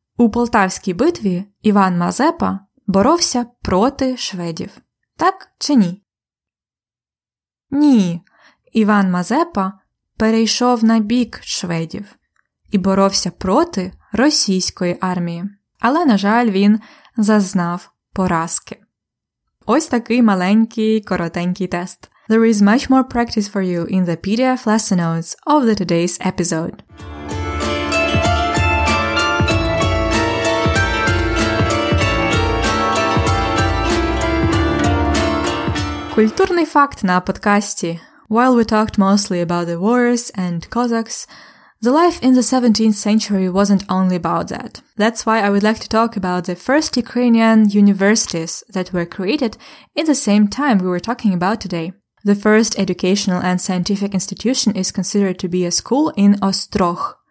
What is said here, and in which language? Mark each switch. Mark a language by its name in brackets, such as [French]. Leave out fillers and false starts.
[Ukrainian] У Полтавській битві Іван Мазепа боровся проти шведів. Так чи ні? Ні, Іван Мазепа перейшов на бік шведів і боровся проти російської армії. Але, на жаль, він зазнав поразки. Ось такий маленький, коротенький тест. [English] There is much more practice for you in the PDF lesson notes of the today's episode. [Ukrainian] Культурний факт на подкасті. [English] While we talked mostly about the wars and Cossacks, the life in the 17th century wasn't only about that. That's why I would like to talk about the first Ukrainian universities that were created in the same time we were talking about today. The first educational and scientific institution is considered to be a school in Ostrog.